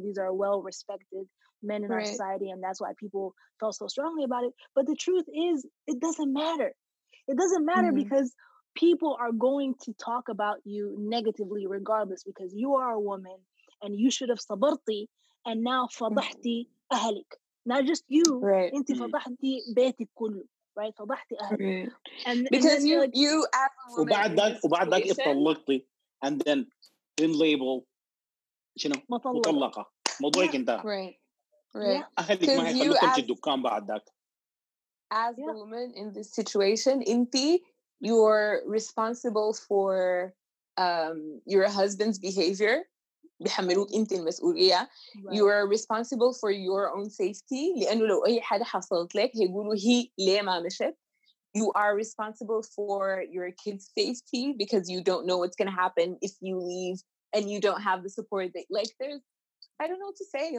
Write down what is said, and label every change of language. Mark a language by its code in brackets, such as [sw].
[en] These are well-respected men in right. our society. And that's why people felt so strongly about it. But the truth is, it doesn't matter. It doesn't matter mm-hmm. because people are going to talk about you negatively regardless because you are a woman and you should have [ar] sabarti [en] and now [ar] fadahti ahalik. [en] Not just you, right. [ar] انت فضحتي بيتك كله, [en] right? [ar] فضحتي أهلك. [en] Right. And because you as a woman. [ar] وبعد ذاك اتطلقتي, [en] and then in label, [ar] شنو? مطلقة. موضوعك انت. [en] Right. Right. [ar] أهلك ما هيخلوك تجي الدكان بعد ذاك. [en] As a woman in this situation, [ar] انت, [en] you're responsible for your husband's behavior. Right. You are responsible for your own safety. You are responsible for your kids' safety because you don't know what's going to happen if you leave and you don't have the support. Like, there's I don't know what to say.